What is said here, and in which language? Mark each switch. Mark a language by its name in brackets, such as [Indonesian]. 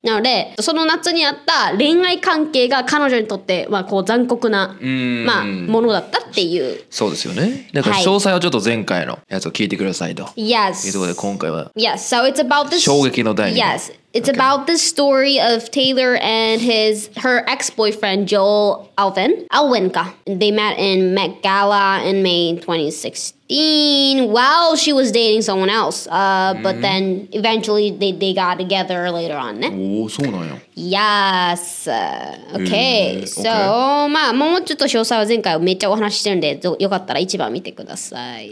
[Japanese] なので、その夏にあった恋愛関係が彼女にとって、まあ、こう残酷な、まあ、ものだったっていう。そうですよね。だから詳細はちょっと前回のやつを聞いてくださいと。 [English] Yes. [Japanese] というところで今回は。 [English] Yes, so it's about this. [Japanese] 衝撃の第 [English] 2。 Yes. It's okay. about the story of Taylor and her ex-boyfriend, Joel Alwyn. Alwyn, ka. They met in Met Gala in May 2016 while she was dating someone else. But then eventually they got together later on. Oh, [Japanese] so なんや。 [English] Yes. Okay. [Japanese] So, まあ、もうちょっと詳細は前回めっちゃお話してるんで、よかったら一番見てください。